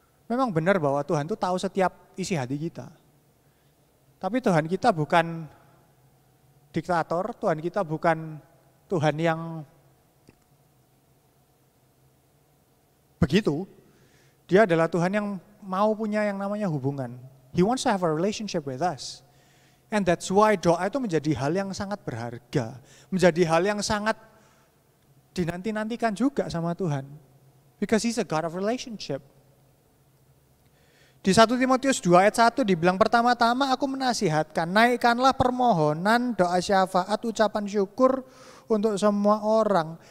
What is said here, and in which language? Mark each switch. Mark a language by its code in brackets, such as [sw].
[id] Memang benar bahwa Tuhan itu tahu setiap isi hati kita. Tapi Tuhan kita bukan diktator, Tuhan kita bukan Tuhan yang begitu. Dia adalah Tuhan yang mau punya yang namanya hubungan. [en] He wants to have a relationship with us. And that's why [id] doa itu menjadi hal yang sangat berharga. Menjadi hal yang sangat dinanti-nantikan juga sama Tuhan. [en] Because he's a God of relationship. [id] Di 1 Timotius 2 ayat 1 dibilang, pertama-tama aku menasihatkan, naikkanlah permohonan, doa syafaat, ucapan syukur untuk semua orang.